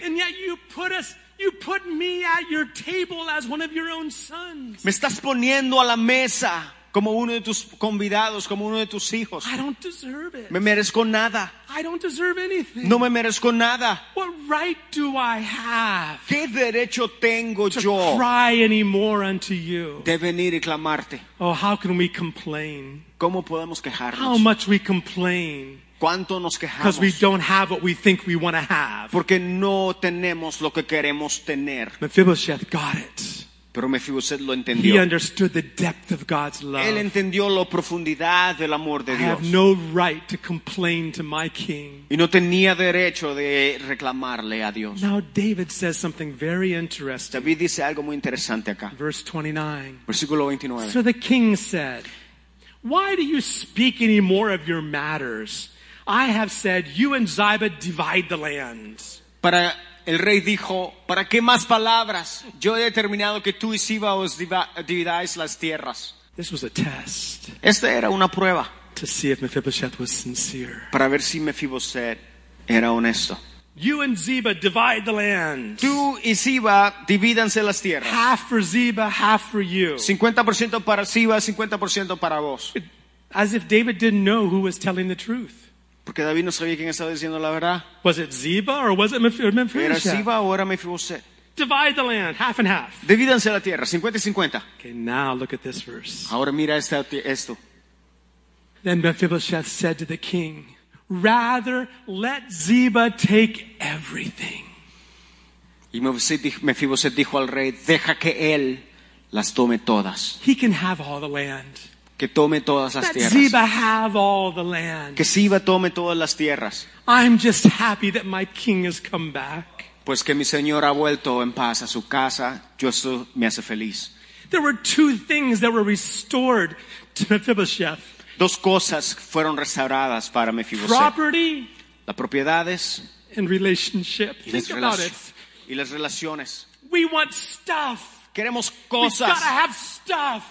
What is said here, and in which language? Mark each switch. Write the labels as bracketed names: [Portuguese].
[English] And yet you put me at your table as one of your own sons. [Spanish] Me estás poniendo a la mesa como uno de tus convidados, como uno de tus hijos. [English] I don't deserve it. [Spanish] Me merezco nada. [English] I don't deserve anything. [Spanish] No me merezco nada. [English] What right do I have? [Spanish] ¿Qué derecho tengo yo? [English] To cry anymore unto you. [Spanish] De venir y clamarte. [English] Oh, how can we complain? [Spanish] ¿Cómo podemos quejarnos? [English] How much we complain? [Spanish] ¿Cuánto nos quejamos? [English] Because we don't have what we think we want to have. [Spanish] Porque no tenemos lo que queremos tener. [English] Mephibosheth got it. [Spanish] Pero Mephibosheth lo entendió. [English] He understood the depth of God's love. [Spanish] Él entendió la profundidad del amor de Dios. [English] I have no right to complain to my king. [Spanish] Y no tenía derecho de reclamarle a Dios. [English] Now David says something very interesting. [Spanish] David dice algo muy interesante acá. [English] Verse 29. [Spanish] Versículo 29. [English] So the king said, "Why do you speak any more of your matters? I have said, you and Ziba divide the land." [Spanish] Para el rey dijo, ¿para qué más palabras? Yo he determinado que tú y Ziba os dividáis las tierras. [English] This was a test. [Spanish] Esta era una prueba. [English] To see if Mephibosheth was sincere. [Spanish] Para ver si Mephibosheth era honesto. [English] You and Ziba divide the land. [Spanish] Tú y Ziba divídanse las tierras. [English] Half for Ziba, half for you. [Spanish] 50% para Ziba, 50% para vos. [English] As if David didn't know who was telling the truth. [Spanish] Porque David no sabía quién estaba diciendo la verdad. [English] Was it Ziba or was it Mephibosheth? [Spanish] ¿Era Ziba o era Mephibosheth? [English] Divide the land, half and half. [Spanish] Divídanse la tierra, 50 y 50. [English] Okay, now look at this verse. [Spanish] Ahora mira esto. [English] Then Mephibosheth said to the king, "Rather let Ziba take everything." [Spanish] Y Mephibosheth dijo al rey, "Deja que él las tome todas." [English] He can have all the land. [Spanish] Que tome todas las tierras. [English] Let Ziba have all the land. [Spanish] Que Ziba tome todas las tierras. [English] I'm just happy that my king has come back. [Spanish] Pues que mi señor ha vuelto en paz a su casa, yo eso me hace feliz. [English] There were two things that were restored to Mephibosheth. [Spanish] Dos cosas fueron restauradas para Mephibosheth. [English] Property, [Spanish] la propiedad es, [English] and relationship. Think about it. [Spanish] Y las relaciones. [English] We want stuff. [Spanish] Queremos cosas. [English] We've got to have stuff.